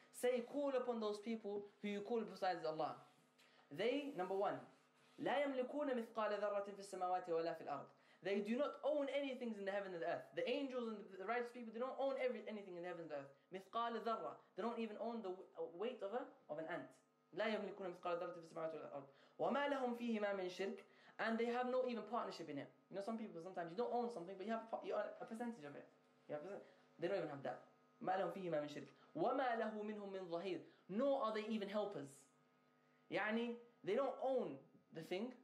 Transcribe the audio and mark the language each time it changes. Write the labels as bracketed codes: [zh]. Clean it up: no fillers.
[en] Say, call upon those people who you call besides Allah. They, number one, [ar] لا يملكون مثقال ذرة في السماوات ولا في الأرض. [en] They do not own anything in the heaven and the earth. The angels and the righteous people, they don't own anything in the heaven and the earth. [ar] مثقال ذرة. [en] They don't even own the weight of an ant. [ar] لا يملكون مثقال ذرة في السماوات ولا في الأرض. وما لهم فيهما من شرك. [en] And they have no even partnership in it. You know, some people, sometimes you don't own something, but you own a percentage of it. They don't even have that. [ar] مَا لَهُمْ فِيهِ مَا مِنْ شِرْكِ وَمَا لَهُ مِنْهُمْ مِنْ ظَهِيرٍ. [en] Nor are they even helpers. يعني, they don't own the thing.